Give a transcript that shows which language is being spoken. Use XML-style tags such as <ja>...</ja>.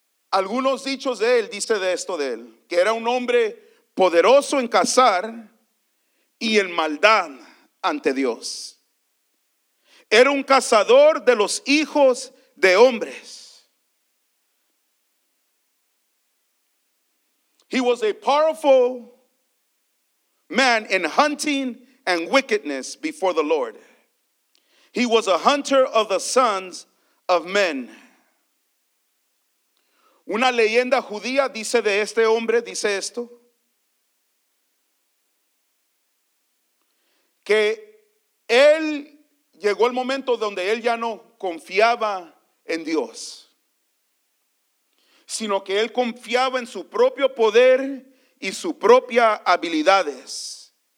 <es>Algunos dichos de él, dice de esto de él, que era un hombre poderoso en cazar y en maldad ante Dios. Era un cazador de los hijos de hombres.</es> <en>He was a powerful man in hunting and wickedness before the Lord. He was a hunter of the sons of men.</en> <es>Una leyenda judía dice de este hombre, dice esto, que él llegó el momento donde él ya no confiaba en Dios, sino que él confiaba en su propio poder y sus propias habilidades.</es>